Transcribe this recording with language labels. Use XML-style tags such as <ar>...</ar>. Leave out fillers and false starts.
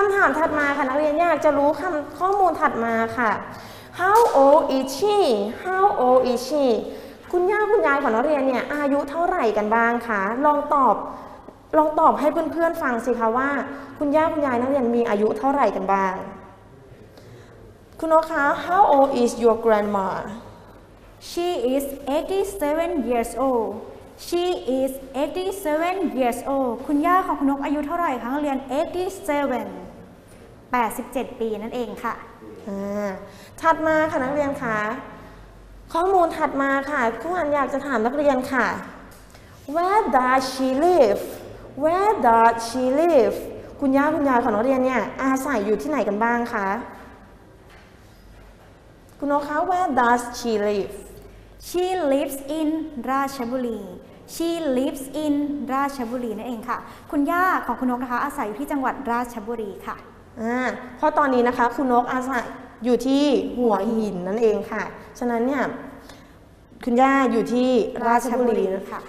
<th>ำถามถัดมาค่ะนักเรียนอยากจะรู้คำข้อมูลถัดมาค่ะ</th> <en>How old is she</en> <th>How old is she คุณย่าคุณยายของนักเรียนเนี่ยอายุเท่าไหร่กันบ้างคะลองตอบให้เพื่อนๆฟังสิคะว่าคุณย่าคุณยายนักเรียนมีอายุเท่าไหร่กันบ้างคุณนกคะ</th> <en>How old is your grandma She is 87 years oldShe is 87 years old.</en> <th>คุณย่าของคุณนกอายุเท่าไหร่คะเรียน 87 87ปีนั่นเองค่ะ ถัดมาค่ะนักเรียนคะข้อมูลถัดมาค่ะคุณอันอยากจะถามนักเรียนค่ะ</th> <en>Where does she live? Where does she live?</en> <th>คุณย่าคุณยายของนักเรียนเนี่ยอาศัยอยู่ที่ไหนกันบ้างคะคุณนกคะ Where does she live?</th> <en>She lives in Ratchaburi. She lives in</en> <th>ราชบุรีนั่นเองค่ะคุณย่าของคุณนกนะคะอาศัยที่จังหวัดราชบุรีค่ะ ข้อตอนนี้นะคะคุณนกอาศัยอยู่ที่หัวหินนั่นเองค่ะฉะนั้นเนี่ยคุณย่าอยู่ที่ราชบุรี ค่ ะ</th>